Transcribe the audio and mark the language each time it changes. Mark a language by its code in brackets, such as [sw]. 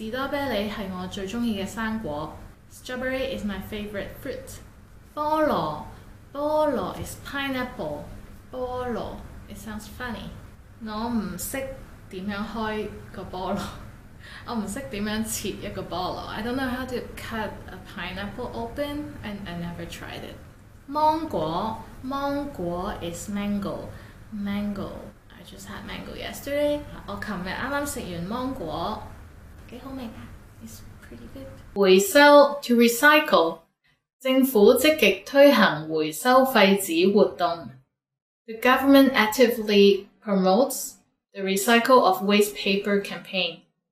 [yue] 士多啤梨是我最喜欢的水果. [en] Strawberry is my favorite fruit. 菠萝, 菠萝 is pineapple. [yue] 菠萝, [en] it sounds funny. [yue] 我不懂怎样开个菠萝. 我不懂怎样切一个菠萝. [en] I don't know how to cut a pineapple open, and I never tried it. 芒果, 芒果 is mango. Mango, I just had mango yesterday. [yue] 我昨天刚吃完芒果, 挺好吃的. [en] It's pretty good. 回收, to recycle. [yue] 政府积极推行回收废纸活动. [en] The government actively promotes the recycle of waste paper campaign.